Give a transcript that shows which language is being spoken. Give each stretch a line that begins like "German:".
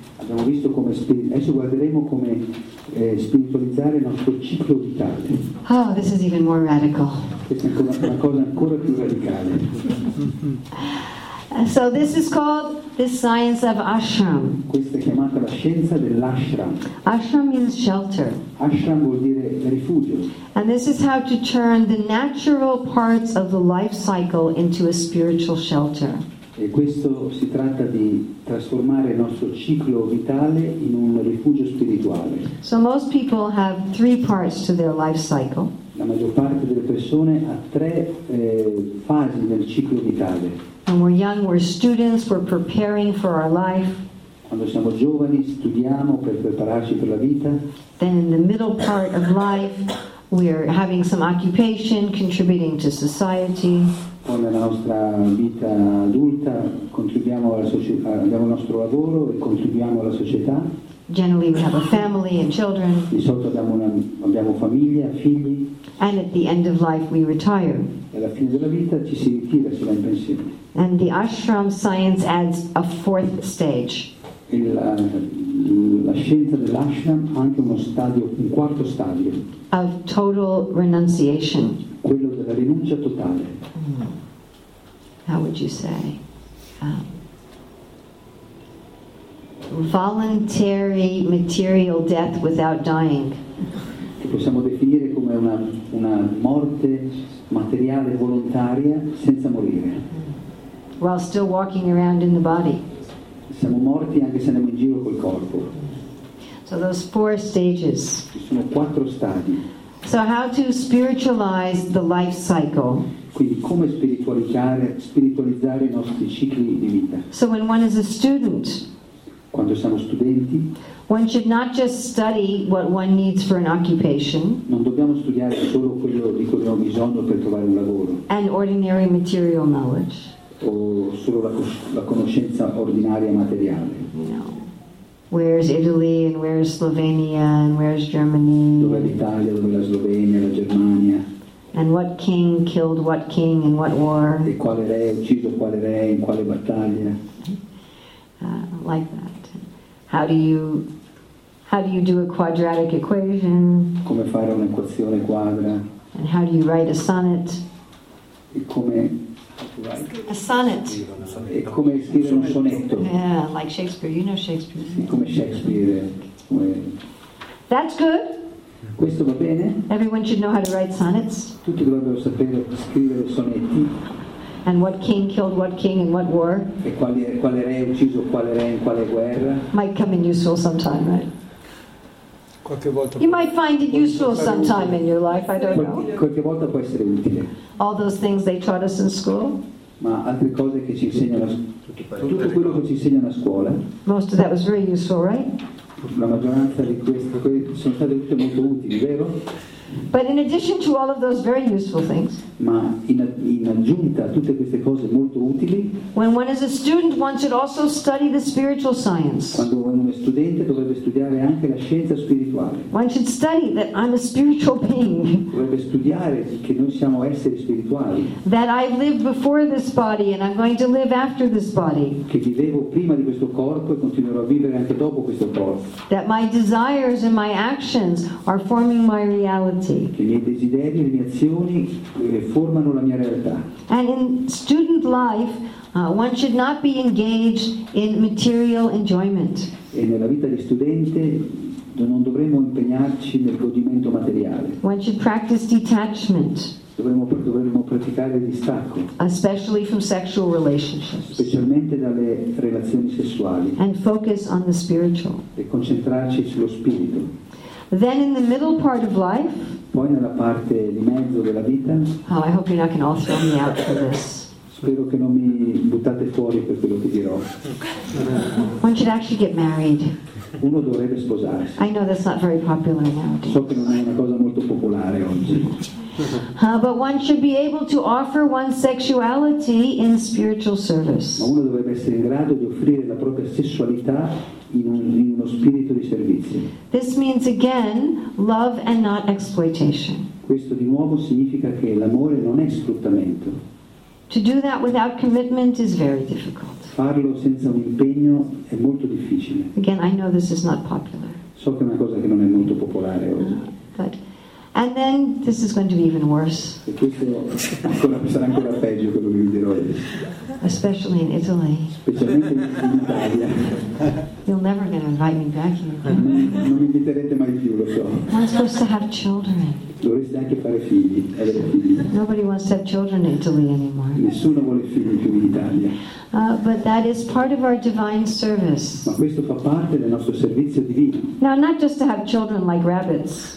Italian: Abbiamo visto come adesso guarderemo come spiritualizzare il nostro ciclo vitale.
English: Oh, this is even more radical.
Italian: Questa è una cosa ancora più radicale.
English: So this is called the science of ashram.
Italian: Questa è chiamata la scienza dell'ashram.
English: Ashram means shelter.
Italian: Ashram vuol dire rifugio.
English: And this is how to turn the natural parts of the life cycle into a spiritual shelter.
Italian: E questo si tratta di trasformare il nostro ciclo vitale in un rifugio spirituale.
English: So most people have three parts to their life cycle.
Italian: La maggior parte delle persone ha tre fasi nel ciclo vitale.
English: When we're young, we're students, we're preparing for our life.
Italian: Quando siamo giovani, studiamo per prepararci per la vita.
English: Then in the middle part of life, we are having some occupation, contributing to society.
Italian: Poi nella nostra vita adulta, abbiamo il nostro lavoro e contribuiamo alla società.
English: Generally we have a family and children.
Italian: Di solito abbiamo famiglia, figli.
English: And at the end of life we retire.
Italian: E alla fine della vita ci si ritira, si va in pensione.
English: And the ashram science adds a fourth stage.
Italian: E la scienza dell'ashram ha anche uno stadio, un quarto stadio.
English: Of total renunciation.
Italian: Quello della rinuncia totale.
English: How would you say? Voluntary material death without dying.
Italian: Che possiamo definire come una morte materiale volontaria senza morire.
English: While still walking around in the body.
Italian: Siamo morti anche se andiamo in giro col corpo.
English: So those four stages.
Italian: Sono quattro stadi.
English: So how to spiritualize the life cycle?
Italian: Quindi come spiritualizzare i nostri cicli di vita?
English: So when one is a student.
Italian: Quando siamo studenti.
English: One should not just study what one needs for an occupation.
Italian: Non dobbiamo studiare solo quello di cui abbiamo bisogno per trovare un lavoro.
English: And ordinary material knowledge.
Italian: O solo la conoscenza ordinaria materiale.
English: No. Where's Italy and where's Slovenia and where's Germany?
Italian: Dove è l'Italia, dove è la Slovenia, la Germania?
English: And what king killed what king in what war?
Italian: E quale re ha ucciso quale re in quale battaglia?
English: Like that. How do you do a quadratic equation?
Italian: Come fare un'equazione quadra?
English: And how do you write a sonnet?
Italian: E come
English: a sonnet.
Italian: E come scrivere un sonetto.
English: Yeah, like Shakespeare. You know Shakespeare.
Italian: E come Shakespeare.
English: That's good.
Italian: Questo va bene.
English: Everyone should know how to write sonnets.
Italian: Tutti dovrebbero sapere scrivere sonetti.
English: And what king killed what king in what war.
Italian: E quale re ha ucciso quale re in quale guerra.
English: Might come in useful sometime, right?
Italian: Qualche volta.
English: You might find it useful sometime in your life, I don't know.
Italian: Qualche volta può essere utile.
English: All those things they taught us in school.
Italian: Ma altre cose che ci insegnano. Tutto quello che ci insegnano a scuola.
English: Most of that was very useful, right?
Italian: La maggioranza di queste sono state tutte molto utili, vero?
English: But in addition to all of those very useful things.
Italian: Ma in aggiunta a tutte queste cose molto utili.
English: When one is a student, one should also study the spiritual science.
Italian: Quando uno è studente dovrebbe studiare anche la scienza spirituale.
English: One should study that I'm a spiritual being.
Italian: Dovrebbe studiare che noi siamo esseri spirituali.
English: That I lived before this body and I'm going to live after this body.
Italian: Che vivevo prima di questo corpo e continuerò a vivere anche dopo questo corpo.
English: That my desires and my actions are forming my reality.
Italian: Che i miei desideri e le mie azioni formano la mia realtà.
English: And in student life, one should not be engaged in material enjoyment.
Italian: E nella vita di studente non dovremmo impegnarci nel godimento materiale.
English: One should practice detachment.
Italian: Dovremmo praticare il distacco.
English: Especially from sexual relationships.
Italian: Specialmente dalle relazioni sessuali.
English: And focus on the spiritual.
Italian: E concentrarci sullo spirito.
English: Then in the middle part of life.
Italian: Poi nella parte di mezzo della vita.
English: Oh, I hope you're not going to all throw me out for this.
Italian: Spero che non mi buttate fuori per quello che dirò.
English: One should actually get married.
Italian: Uno dovrebbe sposarsi.
English: I know that's not very popular nowadays.
Italian: So che non è una cosa molto popolare oggi.
English: But one should be able to offer one's sexuality in spiritual service.
Italian: Ma uno dovrebbe essere in grado di offrire la propria sessualità in uno spirito di servizio.
English: This means again love and not exploitation.
Italian: Questo di nuovo significa che l'amore non è sfruttamento.
English: To do that without commitment is very difficult.
Italian: Farlo senza un impegno è molto difficile.
English: Again, I know this is not popular.
Italian: So che è una cosa che non è molto popolare oggi.
English: But and then this is going to be even worse.
Italian: E questo sarà ancora peggio quello che vi dirò adesso.
English: Especially in Italy.
Italian: Specialmente in Italia.
English: You're never going to invite me back here.
Italian: Non mi inviterete mai più, lo so.
English: I'm supposed to have children.
Italian: Dovreste anche fare figli.
English: Nobody wants to have children in Italy anymore.
Italian: Nessuno vuole figli più in Italia.
English: But that is part of our divine service.
Italian: Ma questo fa parte del nostro servizio divino.
English: Now, not just to have children like rabbits.